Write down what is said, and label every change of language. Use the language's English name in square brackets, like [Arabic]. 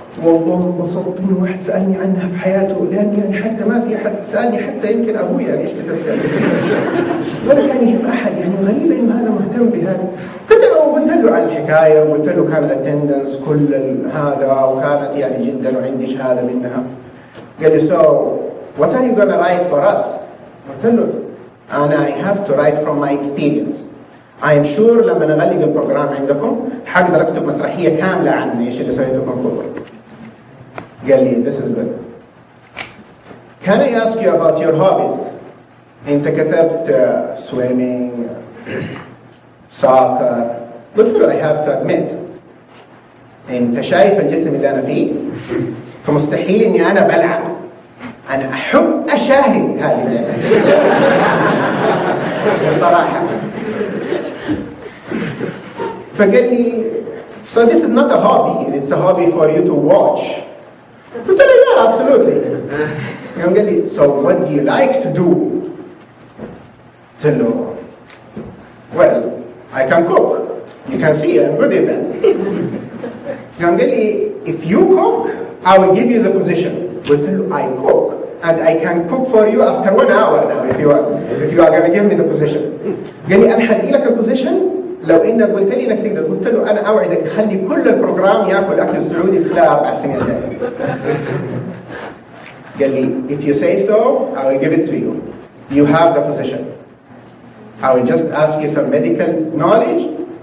[Arabic] والله انبسطت إنه واحد سألني عنها في حياته، لأن يعني حتى ما في أحد سألني، حتى يمكن أبوي يعني إيش كتب فيها ولا كان يهم أحد، يعني غريب إنه هذا مهتم بهذا. قلت له عن الحكاية وقلت له كان الاتندنس كل هذا وكانت يعني جدا وعندي شهادة منها. قال لي [English] so what are you gonna write for us؟ [Arabic] قلت له أنا [English] I have to write from my experience. I'm sure [Arabic] لما نغلق البروجرام عندكم حقدر اكتب مسرحيه كامله عن ايش اللي سويته في فانكوفر. قال لي [English] this is good. Can I ask you about your hobbies؟ [Arabic] انت كتبت [English] swimming, soccer. [Arabic] قلت له [English] I have to admit [Arabic] انت شايف الجسم اللي انا فيه؟ فمستحيل اني انا بلعب. انا احب اشاهد هذه اللعبه. بصراحه. فقال لي [English] so this is not a hobby, it's a hobby for you to watch. [Arabic] قلت له لا [English] absolutely. [Arabic] يوم قال لي [English] so what do you like to do؟ [Arabic] قلت له [English] well I can cook, you can see I'm good at that. [Arabic] يوم قال لي [English] if you cook I will give you the position. [Arabic] قلت له [English] I cook and I can cook for you after 1 hour now if you are gonna give me the position. [Arabic] قال لي أنا حدي لك الposition لو انك قلت لي انك تقدر قلت له انا اوعدك خلي كل البروجرام ياكل اكل سعودي خلال 4 سنين الجايه. قال لي [English] if you say so I will give it to you. You have the position. I will just ask you some medical knowledge